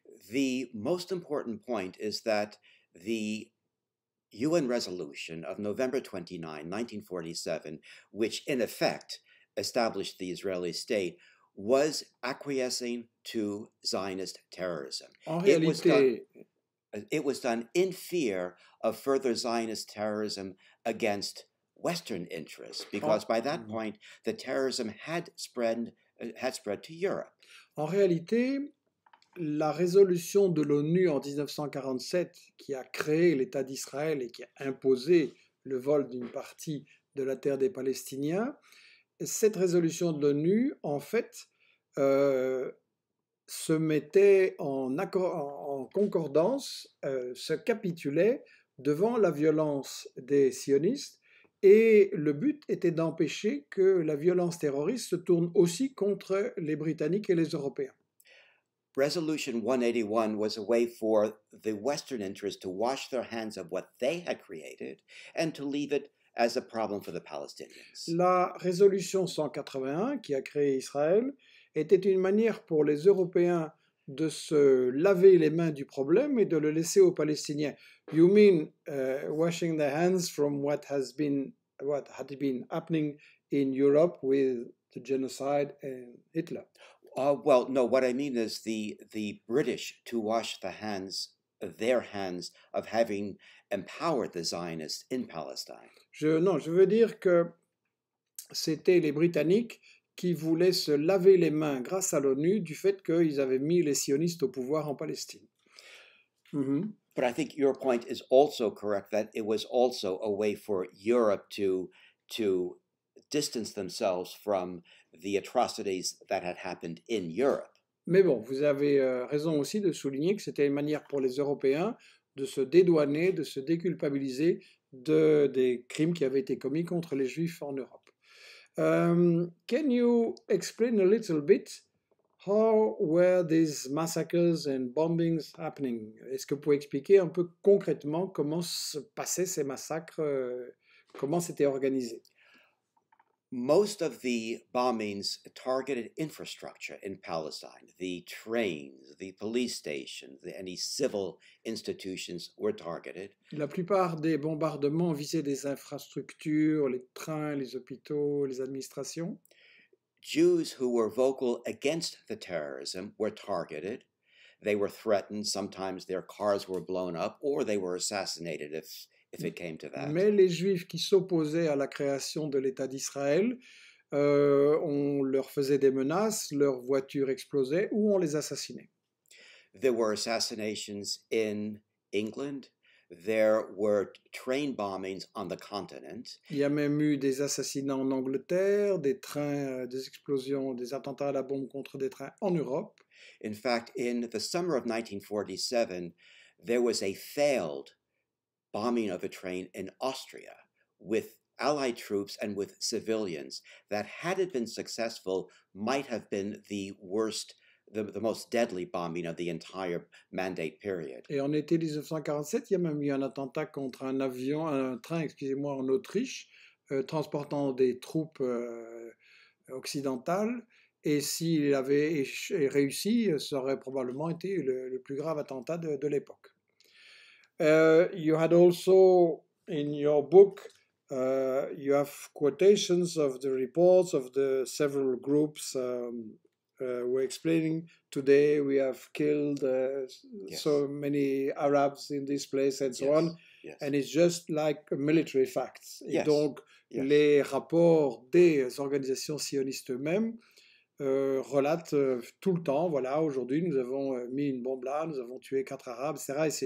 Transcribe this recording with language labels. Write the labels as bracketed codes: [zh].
[en] The most important point is that the UN resolution of November 29, 1947, which in effect established the Israeli state, was acquiescing to Zionist terrorism. [fr] En réalité, [en] it was done in fear of further Zionist terrorism against Western interests, because by that point the terrorism had spread to Europe. [fr] En réalité, la résolution de l'ONU en 1947 qui a créé l'État d'Israël et qui a imposé le vol d'une partie de la terre des Palestiniens, cette résolution de l'ONU, en fait, se mettait en concordance, se capitulait devant la violence des sionistes, et le but était d'empêcher que la violence terroriste se tourne aussi contre les Britanniques et les Européens. [en] Resolution 181 was a way for the Western interests to wash their hands of what they had created and to leave it as a problem for the Palestinians. [fr] La résolution 181 qui a créé Israël était une manière pour les Européens de se laver les mains du problème et de le laisser aux Palestiniens. [en] You mean washing their hands from what has been, what had been happening in Europe with the genocide and Hitler? Well, no, what I mean is the British to wash the hands, their hands, of having empowered the Zionists in Palestine. [fr] Je veux dire que c'était les Britanniques qui voulaient se laver les mains grâce à l'ONU du fait qu'ils avaient mis les sionistes au pouvoir en Palestine. Mm-hmm. [en] But I think your point is also correct that it was also a way for Europe to distance themselves from the atrocities that had happened in Europe. [fr] Mais bon, vous avez raison aussi de souligner que c'était une manière pour les Européens de se dédouaner, de se déculpabiliser des crimes qui avaient été commis contre les Juifs en Europe. [en] Can you explain a little bit how were these massacres and bombings happening? [fr] Est-ce que vous pouvez expliquer un peu concrètement comment se passaient ces massacres, comment c'était organisé? [en] Most of the bombings targeted infrastructure in Palestine. The trains, the police stations, any civil institutions were targeted. [fr] La plupart des bombardements visaient des infrastructures, les trains, les hôpitaux, les administrations. [en] Jews who were vocal against the terrorism were targeted. They were threatened. Sometimes their cars were blown up or they were assassinated if it came to that. [fr] Mais les Juifs qui s'opposaient à la création de l'État d'Israël, on leur faisait des menaces, leurs voitures explosaient ou on les assassinait. [en] There were assassinations in England. There were train bombings on the continent. [fr] Il y a même eu des assassinats en Angleterre, des trains, des explosions, des attentats à la bombe contre des trains en Europe. [en] In fact, in the summer of 1947, there was a failed bombing of a train in Austria with Allied troops and with civilians that, had it been successful, might have been the worst, the most deadly bombing of the entire mandate period. [fr] Et en été 1947, il y a même eu un attentat contre un train, en Autriche, transportant des troupes occidentales. Et s'il avait réussi, ça aurait probablement été le plus grave attentat de l'époque. [en] You had also, in your book, you have quotations of the reports of the several groups were explaining, today we have killed so many Arabs in this place and so on, and it's just like military facts. Yes. [fr] Et donc, les rapports des organisations sionistes eux-mêmes relate tout le temps, voilà, aujourd'hui nous avons mis une bombe là, nous avons tué 4 Arabes, etc.